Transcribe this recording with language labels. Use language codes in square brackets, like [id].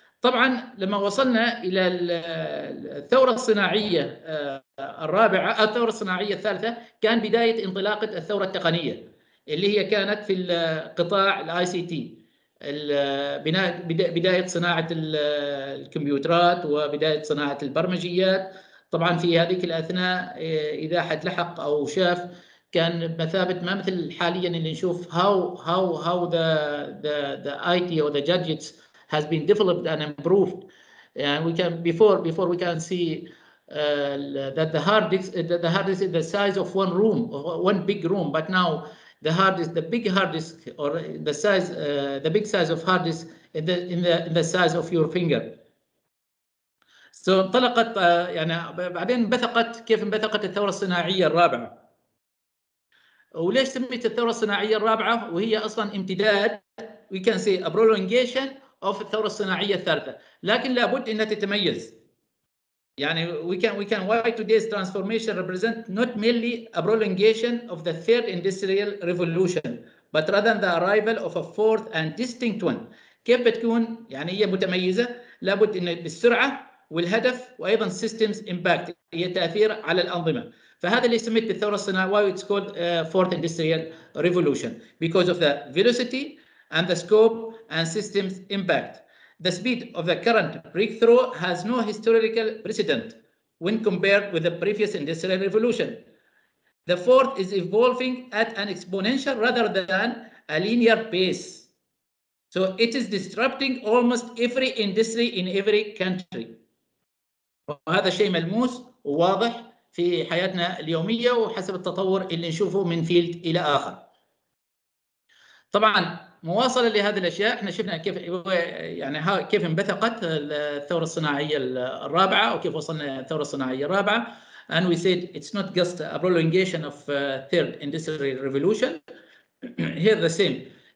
[ar] طبعا لما وصلنا إلى الثورة الصناعية الرابعة الثورة الصناعية الثالثة كان بداية انطلاقة الثورة التقنية اللي هي كانت في القطاع الاي سي تي، البناء بداية صناعة الكمبيوترات وبداية صناعة البرمجيات. طبعا في هذيك الأثناء إذا حد لحق أو شاف كان بمثابة ما مثل حاليا اللي نشوف [en] how the IT or the gadgets has been developed and improved. And we can before we can see that the hard disk is the size of one room, one big room, but now the hard disk, the big hard disk or the size the big size of hard disk in the size of your finger. [ar] So انطلقت يعني بعدين انبثقت. كيف انبثقت الثورة الصناعية الرابعة؟ وليش سميت الثورة الصناعية الرابعة؟ وهي أصلاً امتداد [en] we can say a prolongation of [ar] الثورة الصناعية الثالثة، لكن لابد أنها تتميز. [en] يعني we can why today's transformation represent not merely a prolongation of the third industrial revolution but rather the arrival of a fourth and distinct one. [ar] كيف بتكون يعني هي متميزة؟ لابد أن بالسرعة والهدف وأيضاً [en] systems impact [ar] هي تأثير على الأنظمة. فهذا اللي سميت بالثورة الصناعية [en] why it's called fourth industrial revolution because of the velocity and the scope and systems impact. The speed of the current breakthrough has no historical precedent when compared with the previous industrial revolution. The fourth is evolving at an exponential rather than a linear pace. So it is disrupting almost every industry in every country. [ar] وهذا شيء ملموس وواضح في حياتنا اليومية وحسب التطور اللي نشوفه من فيلد إلى آخر. طبعاً مواصلة لهذه الأشياء احنا شفنا كيف يعني كيف انبثقت الثورة الصناعية الرابعة وكيف وصلنا الثورة الصناعية الرابعة. [en] And we said it's not just a prolongation of third industrial revolution. Here the same.